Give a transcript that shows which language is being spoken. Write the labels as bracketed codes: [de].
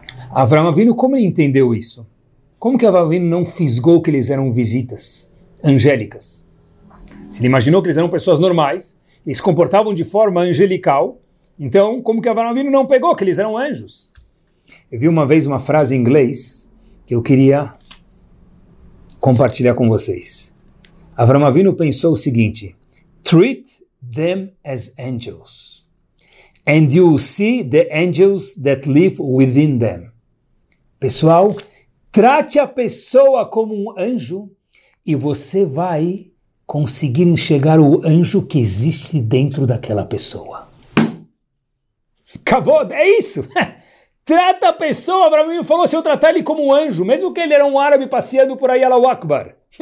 [pt] Avraham Avinu, como ele entendeu isso? Como que Avraham Avinu não fisgou que eles eram visitas angélicas? Se ele imaginou que eles eram pessoas normais, eles se comportavam de forma angelical, então como que Avraham Avinu não pegou que eles eram anjos? Eu vi uma vez uma frase em inglês que eu queria compartilhar com vocês. [en] Avraham Avinu [pt] pensou o seguinte: [en] treat them as angels, and you'll see the angels that live within them. [pt] Pessoal, trate a pessoa como um anjo e você vai conseguir enxergar o anjo que existe dentro daquela pessoa. Kavod, é isso! Trata a pessoa, Avraham Avinu falou, se eu tratar ele como um anjo, mesmo que ele era um árabe passeando por aí, [ar] Allahu Akbar.